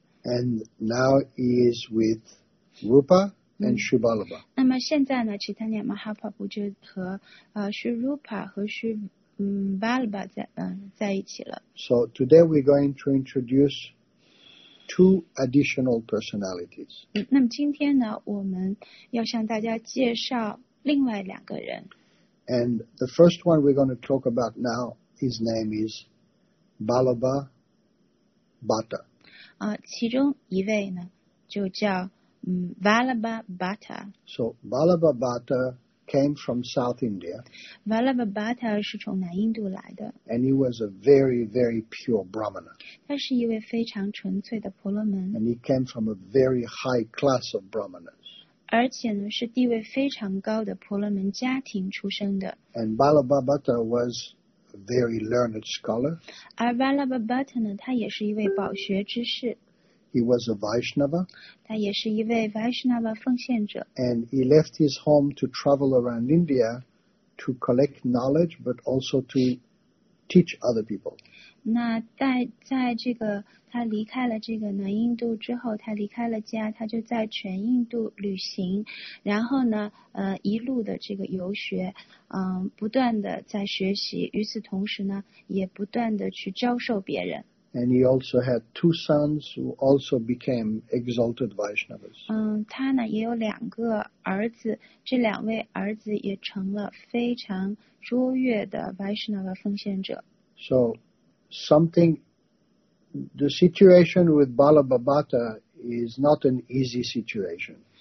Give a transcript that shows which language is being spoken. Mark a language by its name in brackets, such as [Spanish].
[English] And now he is with Rupa and Shri Balabha. [Chinese] 那么现在呢 ，Chaitanya Mahaprabhu 就和Shri Rupa 和 Shri Balabha 在一起了。 [English] So today we're going to introduce two additional personalities. [Chinese] 那么今天呢，我们要向大家介绍另外两个人。 [English] And the first one we're going to talk about now, his name is Balabha Bhatta. [Chinese] 其中一位呢就叫Balabha Bhatta. [English] So Balabha Bhatta came from South India. [Chinese] Balabha Bhatta 是从南印度来的。 [English] And he was a very, very pure Brahmana. [Chinese] 他是一位非常纯粹的婆罗门。 [English] And he came from a very high class of Brahmanas. [Chinese] 而且呢是地位非常高的婆罗门家庭出生的。 [English] And Balabha Bhatta was... A very learned scholar. [Chinese] 而 Balabha Bhatta 呢，他也是一位饱学之士。 [English] He was a Vaishnava. [Chinese] 他也是一位 Vaishnava 奉献者。 [English] And he left his home to travel around India to collect knowledge, but also to teach other people. [Chinese] 那在这个他离开了这个南印度之后，他离开了家，他就在全印度旅行，然后呢，一路的这个游学，不断的在学习，与此同时呢，也不断的去教授别人。 [English] And he also had two sons who also became exalted Vaishnavas. [Chinese] 他呢也有两个儿子，这两位儿子也成了非常卓越的 Vaishnava 奉献者。 [English] So, the situation with Balabha Bhatta is not an easy situation.